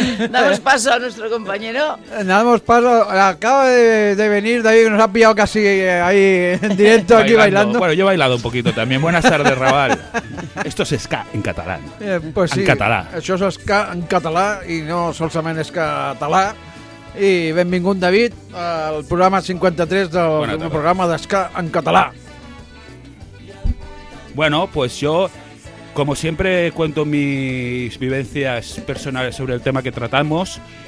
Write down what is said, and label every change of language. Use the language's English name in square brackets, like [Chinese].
[Spanish] Damos paso a nuestro compañero. Damos paso. Acaba de venir David, que nos ha pillado casi ahí en directo bailando. Aquí bailando. Bueno, yo he bailado un poquito también. Buenas tardes, Raval. Esto es ska en catalán. Pues sí. En catalá. Eso es ska en catalá y no solamente es catalá. [Catalan] I benvingut, David, al programa 53 del programa d'Escà en català. [Spanish] Bueno, pues yo, como siempre, cuento mis vivencias personales sobre el tema que tratamos.